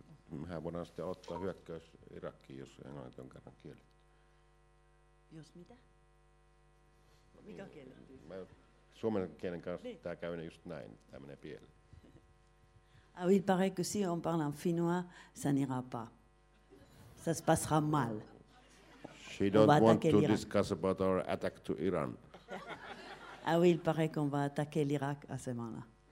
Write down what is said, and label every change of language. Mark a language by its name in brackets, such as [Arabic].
[Finnish] Mehän voidaan sitten aloittaa hyökkäys Irakiin, jos englanti on kerran kielletty. Jos mitä? Mikä kielletty? Suomen kielen kanssa niin. Tämä käy just näin, tämä menee pieleen. [French] Ah oui, il paraît que si on parle en finnois, ça n'ira pas. Ça se passera mal. [English] She don't want to discuss about our attack to Iran. [French] Ah oui, il paraît qu'on va attaquer l'Irak à ce moment-là.